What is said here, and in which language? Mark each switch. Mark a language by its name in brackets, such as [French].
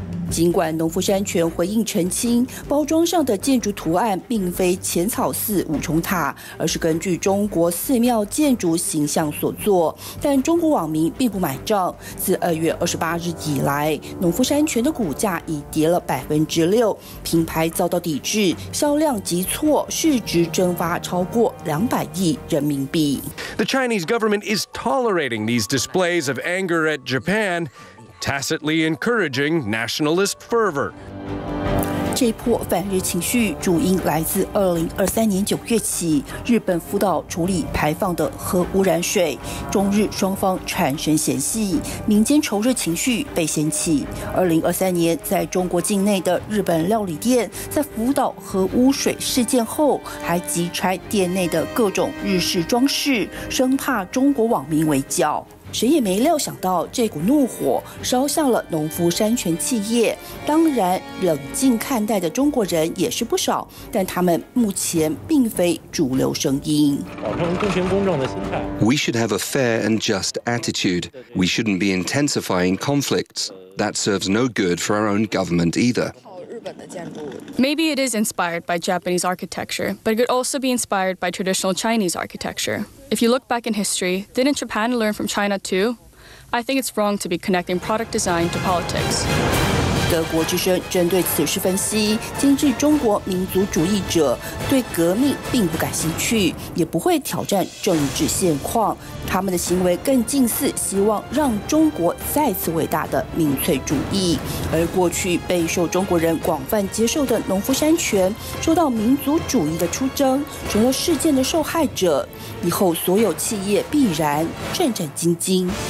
[Chinese] 尽管农夫山泉回应澄清，包装上的建筑图案并非浅草寺五重塔，而是根据中国寺庙建筑形象所作，但中国网民并不买账。自2月28日以来，农夫山泉的股价已跌了6%，品牌遭到抵制，销量急挫，市值蒸发超过200亿人民币。 [English] The Chinese government is tolerating these displays of anger at Japan. Tacitly encouraging nationalist fervor. [Chinese] 这波反日情绪主因来自2023年9月起，日本福岛处理排放的核污染水，中日双方产生嫌隙，民间仇日情绪被掀起。 2023年，在中国境内的日本料理店在福岛核污水事件后，还急拆店内的各种日式装饰，生怕中国网民围剿。谁也没料想到这股怒火烧向了农夫山泉企业，当然冷静看待的中国人也是不少，但他们目前并非主流声音。 [English] We should have a fair and just attitude. We shouldn't be intensifying conflicts. That serves no good for our own government either. Maybe it is inspired by Japanese architecture, but it could also be inspired by traditional Chinese architecture. If you look back in history, didn't Japan learn from China too? I think it's wrong to be connecting product design to politics. [Chinese] 德国之声针对此事分析，今日中国民族主义者对革命并不感兴趣，也不会挑战政治现况，他们的行为更近似希望让中国再次伟大的民粹主义。而过去备受中国人广泛接受的农夫山泉，受到民族主义的出征，成了事件的受害者，以后所有企业必然战战兢兢。